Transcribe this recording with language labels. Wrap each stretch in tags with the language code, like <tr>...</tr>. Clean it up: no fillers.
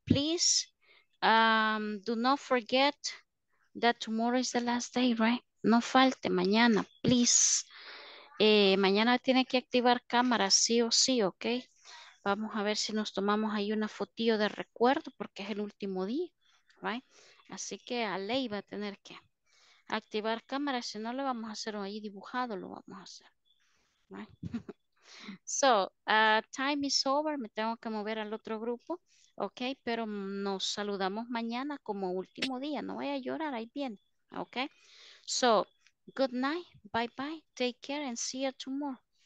<en>Please do not forget that tomorrow is the last day, right?</en> <es>No falte mañana, please. Mañana tiene que activar cámara, sí o sí, ¿ok? Vamos a ver si nos tomamos ahí una fotillo de recuerdo porque es el último día, ¿right? Así que Ale va a tener que activar cámara, si no le vamos a hacer ahí dibujado, lo vamos a hacer, ¿right?</es> <en>So, time is over,</en> <es>me tengo que mover al otro grupo, ¿ok? Pero nos saludamos mañana como último día, no vaya a llorar, ahí viene, ¿ok?</es> <en>So, good night, bye bye, take care and see you tomorrow.</en>